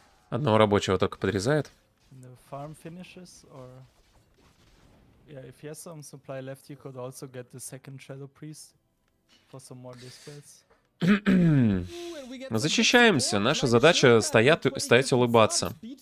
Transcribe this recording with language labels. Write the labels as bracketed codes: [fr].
[ru] Одного рабочего только подрезает. [en] Yeah, if he has some supply left, you could also get the second Shadow Priest for some more dispels. [ru] Мы защищаемся. Наша задача стоять улыбаться.